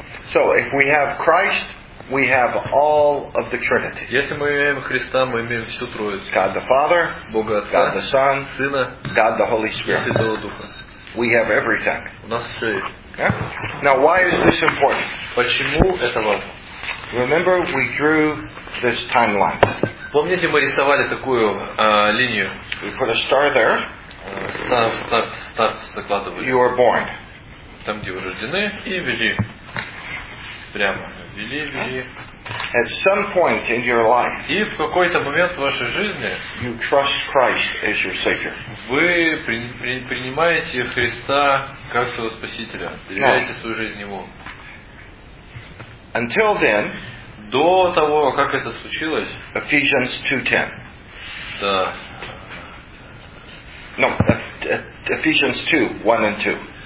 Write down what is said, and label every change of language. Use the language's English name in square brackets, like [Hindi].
[English] So if we have Christ, we have all of the Trinity. [Russian] Если мы имеем Христа, мы имеем всю Троицу. [English] God the Father, [Russian] Бога Отца, [English] God the Son, [Russian] Сына, [English] God the Holy Spirit. [Russian] Святого Духа. [English] We have everything. [Russian] У нас все есть. [English] Yeah? Now why is this important? [Russian] Почему это важно? [English] Remember we drew this timeline. [Russian] Помните, мы рисовали такую линию? [English] We put a star there. [Russian] Старт закладывали. [English] You are born. [Russian] Там, где вы рождены, и вели. Прямо. Вели. [English] At some point in your life, [Russian] и в какой-то момент в вашей жизни [English] you trust Christ as your Savior. [Russian] Вы принимаете Христа как своего Спасителя. Доверяете свою жизнь Ему. [English] Until then, [Russian] до того, как это случилось, [English] Ephesians 2:10. [Russian] Да. [English] No, Ephesians 2, 1 and 2.